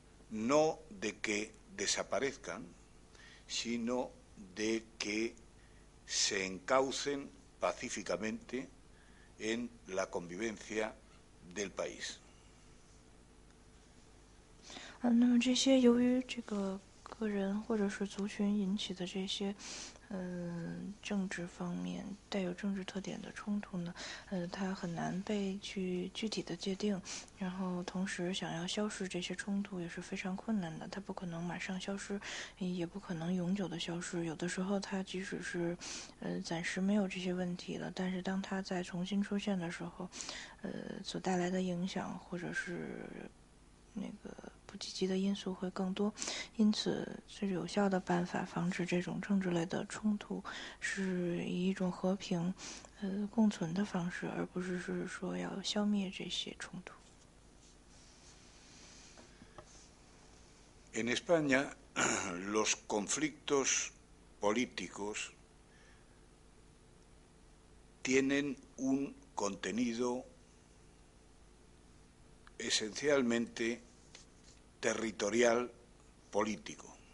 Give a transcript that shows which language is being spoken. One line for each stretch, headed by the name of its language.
Spanish: no de que desaparezcan, sino de que se encaucen pacíficamente en la convivencia del país.
Chinese: 那么这些由于这个个人或者是族群引起的这些政治方面带有政治特点的冲突呢，它很难被去具体的界定，然后同时想要消失这些冲突也是非常困难的，它不可能马上消失，也不可能永久的消失。有的时候它即使是暂时没有这些问题了，但是当它再重新出现的时候，所带来的影响或者是那个不积极的因素会更多，因此最有效的办法防止这种政治类的冲突是以一种和平共存的方式，而不是说要消灭这些冲突。
Spanish: En España los conflictos políticos tienen un contenido esencialmente territorial político.